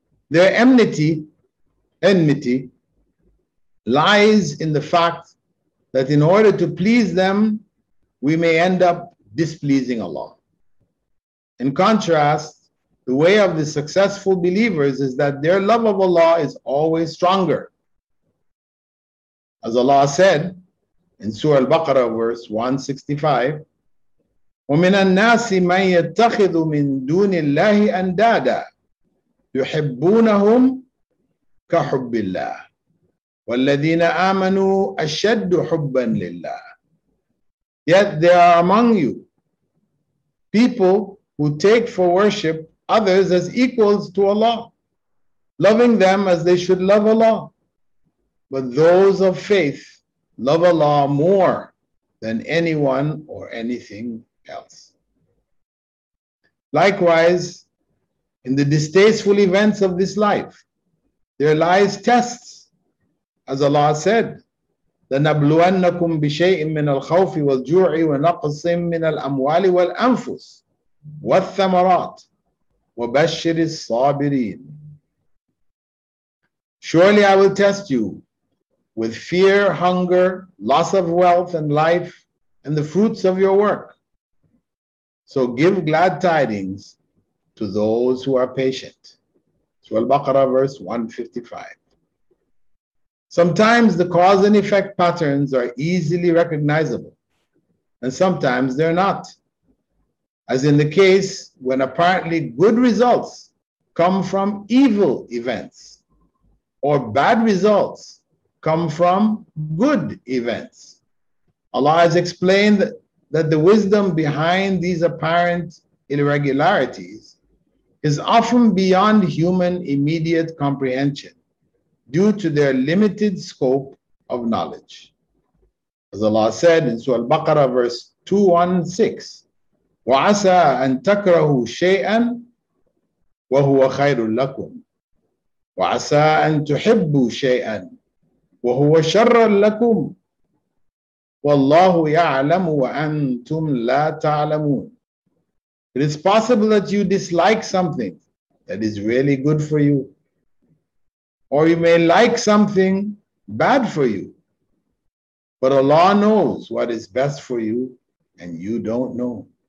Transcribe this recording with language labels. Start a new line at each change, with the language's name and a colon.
English: Their enmity lies in the fact that in order to please them, we may end up displeasing Allah. In contrast, the way of the successful believers is that their love of Allah is always stronger. As Allah said in Surah Al-Baqarah, verse 165,
Arabic: وَمِنَ النَّاسِ مَنْ يَتَّخِذُ مِنْ دُونِ اللَّهِ أَنْدَادًا يُحِبُّونَهُمْ كَحُبِّ اللَّهِ وَالَّذِينَ آمَنُوا أَشَدُّ حُبًّا لِلَّهِ.
English: Yet there are among you people who take for worship others as equals to Allah, loving them as they should love Allah. But those of faith love Allah more than anyone or anything else. Likewise, in the distasteful events of this life, there lies tests. As Allah said,
Arabic: لَنَبْلُوَنَّكُمْ بِشَيْءٍ مِّنَ الْخَوْفِ وَالْجُوعِ وَنَقْصٍ مِّنَ الْأَمْوَالِ وَالْأَنفُسِ وَالثَّمَرَاتِ وَبَشِّرِ الصَّابِرِينَ.
English: Surely I will test you with fear, hunger, loss of wealth and life, and the fruits of your work. So give glad tidings to those who are patient. Surah Al-Baqarah, verse 155. Sometimes the cause and effect patterns are easily recognizable, and sometimes they're not. As in the case when apparently good results come from evil events, or bad results come from good events. Allah has explained that the wisdom behind these apparent irregularities is often beyond human immediate comprehension due to their limited scope of knowledge. As Allah said in Surah Al-Baqarah, verse 216,
Arabic: وَعَسَىٰ أَن تَكْرَهُ شَيْئًا وَهُوَ خَيْرٌ لَكُمْ وَعَسَىٰ أَن تُحِبُّ شَيْئًا وَهُوَ شَرًّا لَكُمْ وَاللَّهُ يَعْلَمُ وَأَنْتُمْ لَا تَعْلَمُونَ.
English: It is possible that you dislike something that is really good for you, or you may like something bad for you, but Allah knows what is best for you, and you don't know.